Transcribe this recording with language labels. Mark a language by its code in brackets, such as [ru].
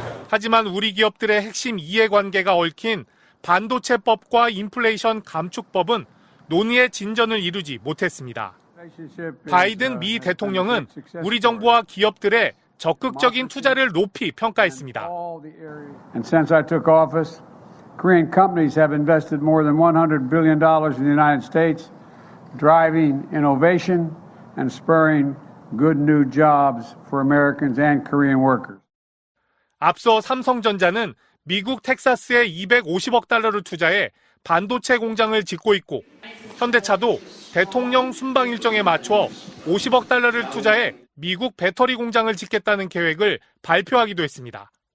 [ko] 하지만 우리 기업들의 핵심 이해관계가 얽힌 반도체법과 인플레이션 감축법은 논의의 진전을 이루지 못했습니다. 바이든 미 대통령은 우리 정부와 기업들의 적극적인 투자를 높이 평가했습니다. [en] And since I took office, Korean companies have invested more than $100 billion in the United States, driving innovation and spurring good new jobs for Americans and Korean workers. [ko] 앞서 삼성전자는 미국 텍사스에 250억 달러를 투자해 반도체 공장을 짓고 있고 현대차도 대통령 순방 일정에 맞춰 50억 달러를 투자해 미국 배터리 공장을 짓겠다는 계획을 발표하기도 했습니다.